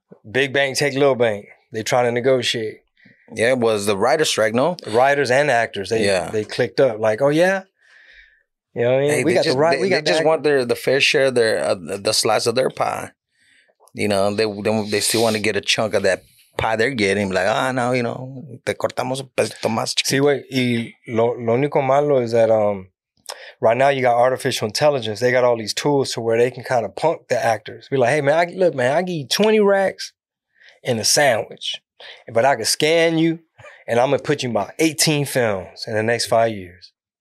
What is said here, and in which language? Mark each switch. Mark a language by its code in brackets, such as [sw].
[en] Big bank take little bank. They trying to negotiate. Yeah, it was the writer's strike, no? Writers and actors. They clicked up. Like, oh, yeah? You know what I mean? Hey, they just want the fair share of their the slice of their pie. You know, they still want to get a chunk of that pie they're getting. Like, ah, oh, no, you know, [es] te cortamos un pesito más chiquito. Sí, güey. Y lo único malo [en] is that... right now, you got artificial intelligence. They got all these tools to where they can kind of punk the actors. Be like, hey, man, I give you 20 racks and a sandwich. But I can scan you, and I'm going to put you in about 18 films in the next 5 years.